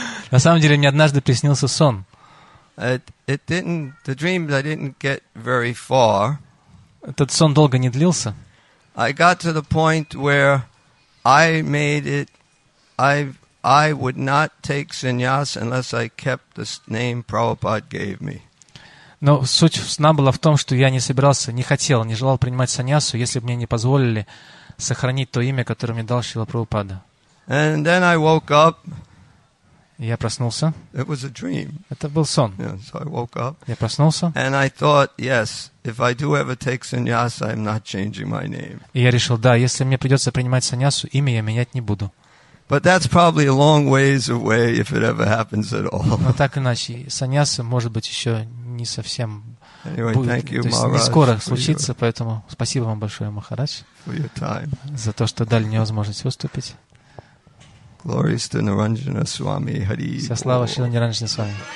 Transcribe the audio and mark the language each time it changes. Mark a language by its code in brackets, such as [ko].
[ru] На самом деле, мне однажды приснился сон. [en] The dream didn't get very far. [ru] Этот сон долго не длился. [en] I got to the point where I made it, I would not take sannyas unless I kept the name Prabhupada gave me. [ru] Но суть сна была в том, что я не собирался, не хотел, не желал принимать саньясу, если бы мне не позволили сохранить то имя, которое мне дал Шрила Прабхупада. [en] And then I woke up. [ru] Я проснулся. [en] It was a dream. [ru] Это был сон. [en] Yeah, so I woke up. [ru] Я проснулся. [en] And I thought, yes, if I do ever take sannyas, I'm not changing my name. [ru] И я решил, да, если мне придется принимать саньясу, имя я менять не буду. [en] But that's probably a long ways away if it ever happens at all. [ru] Но так иначе, саньяса может быть еще не совсем [en] Anyway, [ru] будет, [en] thank you, [ru] то есть не скоро случится, поэтому спасибо вам большое, Махарадж, за то, что дали мне возможность выступить. Вся слава Шрила Ниранджана Свами.